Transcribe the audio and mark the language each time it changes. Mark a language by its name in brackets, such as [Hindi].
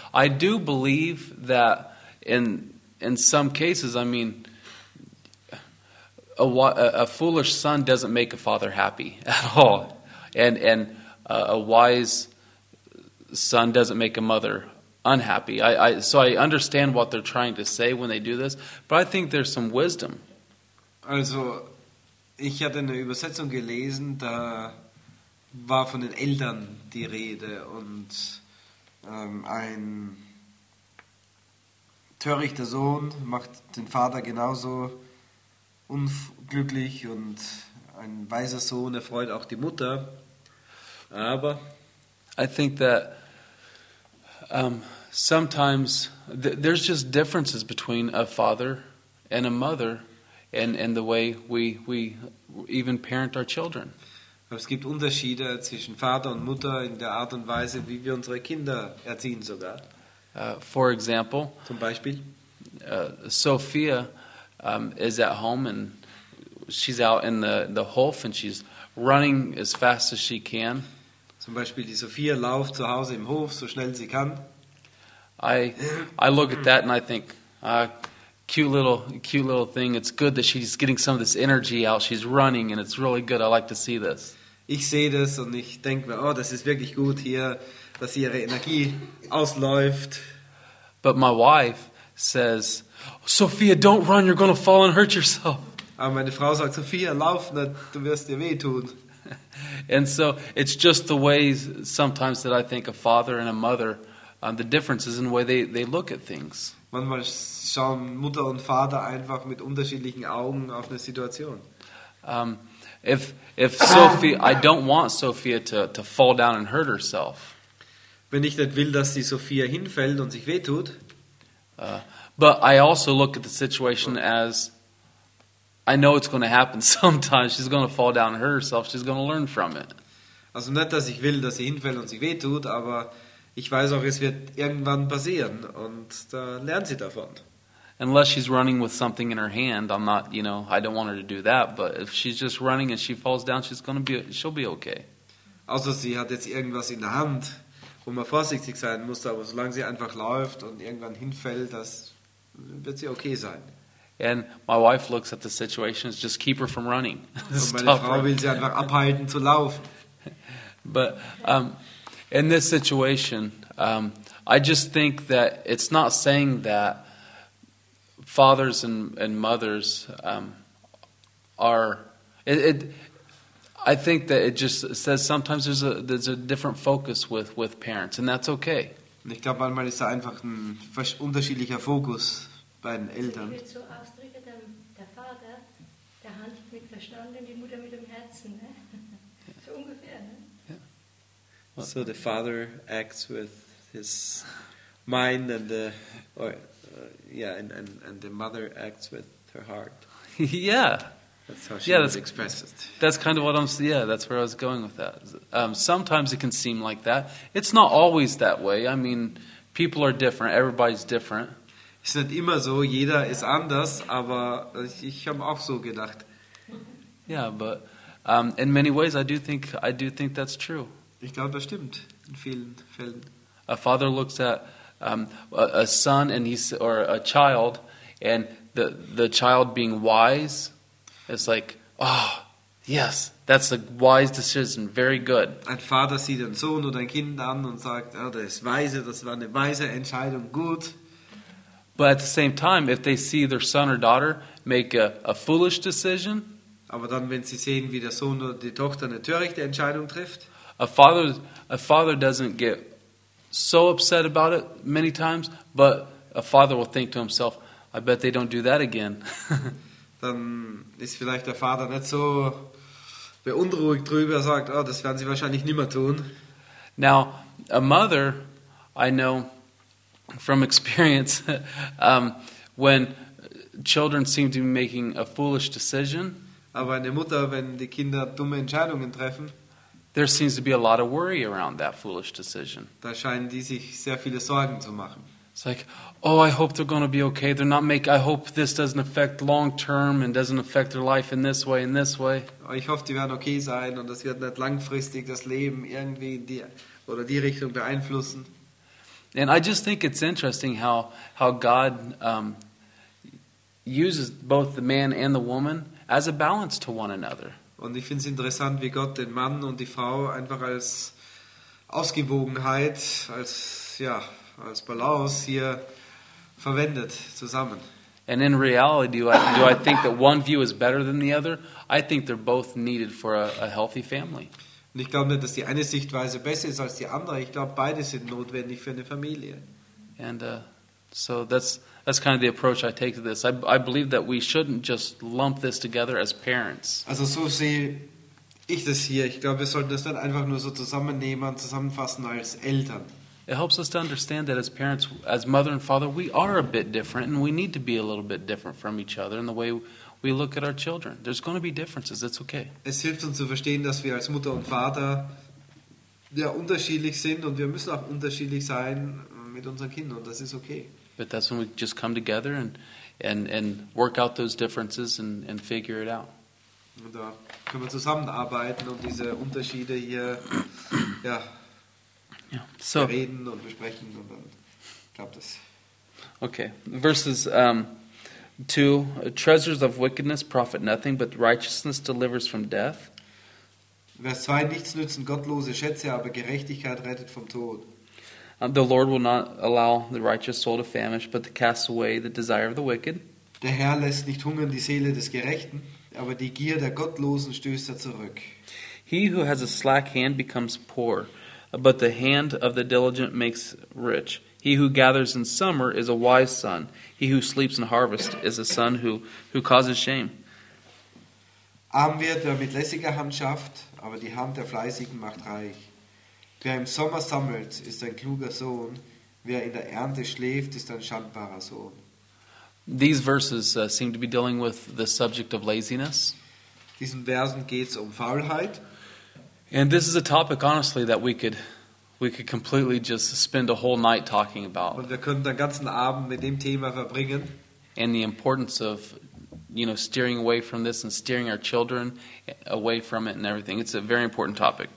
[English] I do believe that in some cases, I mean, a foolish son doesn't make a father happy at all, and a wise son doesn't make a mother unhappy. So I understand what they're trying to say when they do this, but I think there's some wisdom. [German] Also, ich hatte eine Übersetzung gelesen, da war von den Eltern die Rede, und ein törichter Sohn macht den Vater genauso unglücklich, und ein weiser Sohn erfreut auch die Mutter. Aber [English] I think that sometimes there's just differences between a father and a mother and the way we even parent our children. [German] Es gibt Unterschiede zwischen Vater und Mutter in der Art und Weise, wie wir unsere Kinder erziehen sogar. [English] For example, [German] zum Beispiel, [English] Sophia is at home and she's out in the Hof and she's running as fast as she can. [German] Zum Beispiel, die Sophia läuft zu Hause im Hof so schnell sie kann. [English] I look at that and I think, cute little thing. It's good that she's getting some of this energy out. She's running and it's really good. I like to see this. [German] Ich sehe das und ich denke mir, oh, das ist wirklich gut hier, dass ihre Energie ausläuft. [English] But my wife says, Sophia, don't run, you're going to fall and hurt yourself. [German] Aber meine Frau sagt, Sophia, lauf nicht, du wirst dir wehtun. [English] And so it's just the way sometimes that I think a father and a mother, the difference is in the way they look at things. [German] Manchmal schauen Mutter und Vater einfach mit unterschiedlichen Augen auf eine Situation. [English] If Sophie, I don't want Sophia to fall down and hurt herself. [German] Wenn ich nicht will, dass die Sophia hinfällt und sich wehtut. [English] But I also look at the situation as, I know it's going to happen sometimes. She's going to fall down and hurt herself. She's going to learn from it. [German] Also nicht, dass ich will, dass sie hinfällt und sich wehtut, aber ich weiß auch, es wird irgendwann passieren und da lernt sie davon. [English] Unless she's running with something in her hand, I'm not, you know, I don't want her to do that. But if she's just running and she falls down, she'll be okay. [German] Also, sie hat jetzt irgendwas in der Hand wo man vorsichtig sein muss, aber solange sie einfach läuft und irgendwann hinfällt, das wird sie okay sein. [English] And my wife looks at the situation as just keep her from running. [German] Und meine Frau running. Will sie einfach abhalten zu laufen. [English] But in this situation, I just think that it's not saying that fathers and mothers are. I think that it just says sometimes there's a different focus with parents, and that's okay. [German] Und ich glaube, manchmal ist da einfach ein unterschiedlicher Fokus bei den Eltern. Ich würde so ausdrücken, der Vater, der handelt mit Verstand und die Mutter mit dem Herzen. Ne? So ungefähr, ne? [English] Yeah. So the father acts with his mind and the and the mother acts with her heart. Yeah. That's how she would express it. That's kind of what I'm saying. Yeah, that's where I was going with that. Sometimes it can seem like that. It's not always that way. I mean, people are different. Everybody's different. [German] Es ist nicht immer so. Jeder ist anders. Aber ich habe auch so gedacht. [English] Yeah, but in many ways, I do think that's true. [German] Ich glaube, das stimmt. In vielen Fällen. [English] A father looks at a son and he's or a child, and the child being wise. It's like, oh, yes, that's a wise decision, very good. [German] Ein Vater sieht einen Sohn oder ein Kind an und sagt, oh, das ist weise, das war eine weise Entscheidung, gut. [English] But at the same time, if they see their son or daughter make a foolish decision, [German] aber dann, wenn sie sehen, wie der Sohn oder die Tochter eine törichte Entscheidung trifft, [English] a father doesn't get so upset about it many times, but a father will think to himself, I bet they don't do that again. [German] Dann ist vielleicht der Vater nicht so beunruhigt drüber, sagt, oh, das werden sie wahrscheinlich nicht mehr tun. [English] Now, a mother, I know from experience, when children seem to be making a foolish decision, [German] aber eine Mutter, wenn die Kinder dumme Entscheidungen treffen, [English] there seems to be a lot of worry around that foolish decision. [German] Da scheinen die sich sehr viele Sorgen zu machen. [English] It's like, oh, I hope they're going to be okay. They're not make. I hope this doesn't affect long term and doesn't affect their life in this way, in this way. [German] Ich hoffe, die werden okay sein und das wird nicht langfristig das Leben irgendwie in die oder die Richtung beeinflussen. [English] And I just think it's interesting how God uses both the man and the woman as a balance to one another. [German] Und ich finde es interessant, wie Gott den Mann und die Frau einfach als Ausgewogenheit, als ja. Als Balance hier verwendet zusammen. [English] And in reality, do I think that one view is better than the other? I think they're both needed for a healthy family. [German] Und ich glaube nicht, dass die eine Sichtweise besser ist als die andere. Ich glaube, beide sind notwendig für eine Familie. [English] And so that's kind of the approach I take to this. I believe that we shouldn't just lump this together as parents. [German] Also so sehe ich das hier. Ich glaube, wir sollten das nicht einfach nur so zusammennehmen und zusammenfassen als Eltern. [English] It helps us to understand that as parents, as mother and father, we are a bit different and we need to be a little bit different from each other in the way we look at our children. There's going to be differences. It's okay. [German] Es hilft uns zu verstehen, dass wir als Mutter und Vater ja unterschiedlich sind und wir müssen auch unterschiedlich sein mit unseren Kindern. Das ist okay. [English] But that's when we just come together and work out those differences and figure it out. [German] Und da können wir zusammenarbeiten und diese Unterschiede hier, ja, [English] yeah. So, [German] reden und besprechen und dann klappt es. [English] Okay, verses 2, treasures of wickedness profit nothing, but righteousness delivers from death. [German] Vers 2, nichts nützen gottlose Schätze, aber Gerechtigkeit rettet vom Tod. [English] The Lord will not allow the righteous soul to famish, but to cast away the desire of the wicked. [German] Der Herr lässt nicht hungern die Seele des Gerechten, aber die Gier der Gottlosen stößt er zurück. [English] He who has a slack hand becomes poor. But the hand of the diligent makes rich. He who gathers in summer is a wise son. He who sleeps in harvest is a son who causes shame. [German] Arm wird, wer mit lässiger Hand schafft, aber die Hand der Fleißigen macht reich. Wer im Sommer sammelt, ist ein kluger Sohn. Wer in der Ernte schläft, ist ein schandbarer Sohn. [English] These verses seem to be dealing with the subject of laziness. [German] Diesen Versen geht's um Faulheit. [English] And this is a topic, honestly, that we could completely just spend a whole night talking about. [German] Und wir könnten den ganzen Abend mit dem Thema verbringen. [English] And the importance of, you know, steering away from this and steering our children away from it and everything. It's a very important topic.